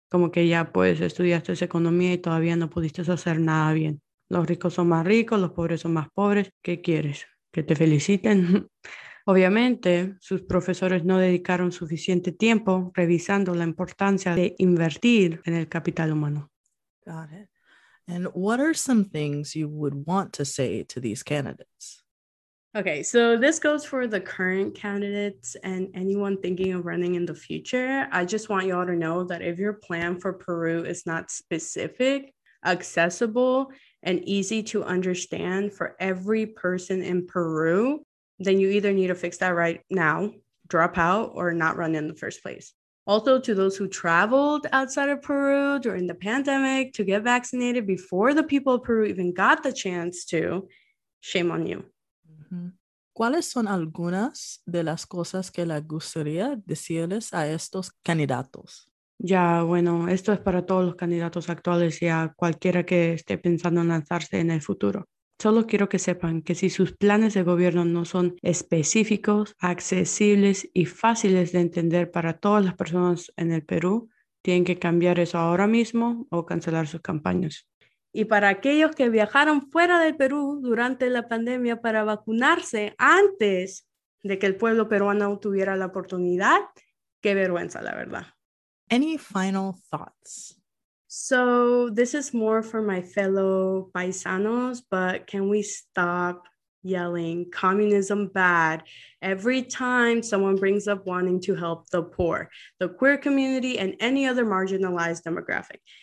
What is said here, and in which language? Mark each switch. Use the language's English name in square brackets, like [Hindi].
[Spanish] Como que ya, pues, estudiaste economía y todavía no pudiste hacer nada bien. Los ricos son más ricos, los pobres son más pobres. ¿Qué quieres? ¿Que te feliciten? Obviamente, sus profesores no dedicaron suficiente tiempo revisando la importancia de invertir en el capital humano. [English] Got it. And what are some things you would want to say to these candidates? Okay, so this goes for the current candidates and anyone thinking of running in the future. I just want y'all to know that if your plan for Peru is not specific, accessible, and easy to understand for every person in Peru, then you either need to fix that right now, drop out, or not run in the first place. Also, to those who traveled outside of Peru during the pandemic to get vaccinated before the people of Peru even got the chance to, shame on you. Mm-hmm. [Spanish] ¿Cuáles son algunas de las cosas que les gustaría decirles a estos candidatos? Ya, bueno, esto es para todos los candidatos actuales y a cualquiera que esté pensando en lanzarse en el futuro. Solo quiero que sepan que si sus planes de gobierno no son específicos, accesibles y fáciles de entender para todas las personas en el Perú, tienen que cambiar eso ahora mismo o cancelar sus campañas. Y para aquellos que viajaron fuera del Perú durante la pandemia para vacunarse antes de que el pueblo peruano tuviera la oportunidad, qué vergüenza, la verdad. [English] Any final thoughts? So this is more for my fellow paisanos, but can we stop yelling communism bad every time someone brings up wanting to help the poor, the queer community, and any other marginalized demographic?